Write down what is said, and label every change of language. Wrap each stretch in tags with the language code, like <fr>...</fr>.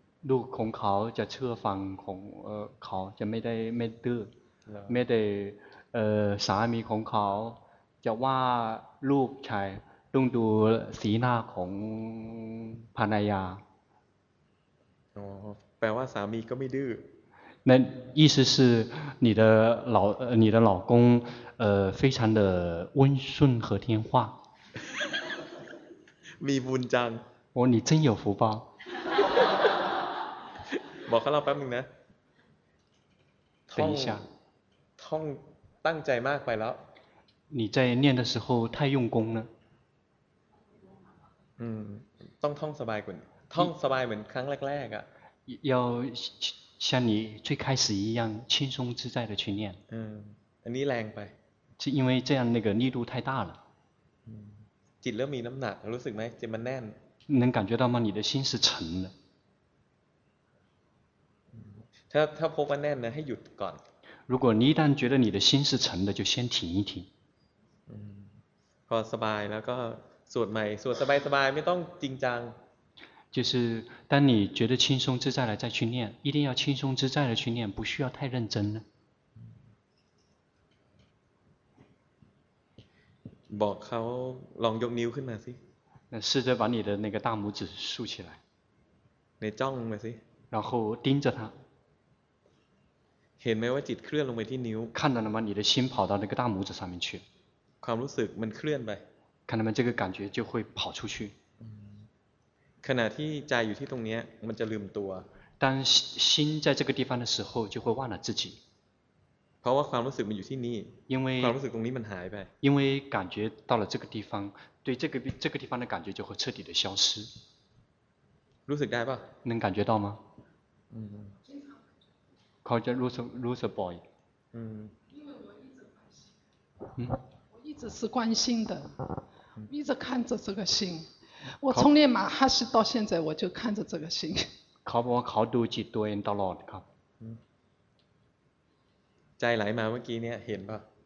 <th>ลูกของเขาจะเชื่อฟังของเขาจะไม่ได้ไม่ดื้อไม่ได้สามีของเขาจะว่าลูกชายต้องดูสีหน้าของภรรยา แปลว่าสามีก็ไม่ดื้อ</th> <zh>那意思是你的老你的老公非常的温顺和听话</zh> <th>มีบุญจัง</th> <zh>哦你真有福报</zh> <th>บอกเขาเราแป๊บนึงนะ</th> <zh>等一下</zh> <th>ท่องตั้งใจมากไปแล้ว</th> <zh>你在念的时候太用功了</zh> <th>ต้องท่องสบายกว่าท่องสบายเหมือนครั้งแรกๆอ่ะ</th> <zh>要像你最开始一样轻松自在的去念</zh> <th>อันนี้แรงไป</th> <zh>是因为这样那个力度太大了</zh> <th>จิตเริ่มมีน้ำหนักรู้สึกไหมจิตมันแน่น</th> <zh>能感觉到吗你的心是沉的</zh> <th>ถ้าพบว่าแน่นนะให้หยุดก่อน</th> <zh>如果你一旦觉得你的心是沉的就先停一停</zh> <th>พอสบายแล้วก็สวดใหม่สวดสบายๆไม่ต้องจริงจัง</th> <zh>就是当你觉得轻松自在了再去念一定要轻松自在的去念不需要太认真了</zh> <th>บอกเขาลองยกนิ้วขึ้นมาสิ</th> <zh>那试着把你的那个大拇指竖起来</zh> <th>ในจ้องมาสิ</th> <zh>然后盯着他</zh> <th>เห็นไหมว่าจิตเคลื่อนลงไปที่นิ้ว</th> <zh>看到了吗你的心跑到那个大拇指上面去</zh> <th>ความรู้สึกมันเคลื่อนไป</th> <zh>看到没这个感觉就会跑出去</zh> <th>ขณะที่ใจอยู่ที่ตรงนี้มันจะลืมตัว</th> <zh>当心在这个地方的时候就会忘了自己</zh> <th>เพราะว่าความรู้สึกมันอยู่ที่นี่</th> <zh>因为</zh> <th>ความรู้สึกตรงนี้มันหายไป</th> <zh>因为感觉到了这个地方对这个地方的感觉就会彻底的消失</zh> <th>รู้สึกได้ป่ะ</th> <zh>能感觉到吗</zh> <th>เขาจะรู้สึกบ่อย</th> <zh>我一直是关心的一直看着这个心我从练马哈斯到现在我就看着这个心考我考读几多人到了</zh> <th>ใจไหลมาเมื่อกี้เนี่ยเห็นป่ะ</th>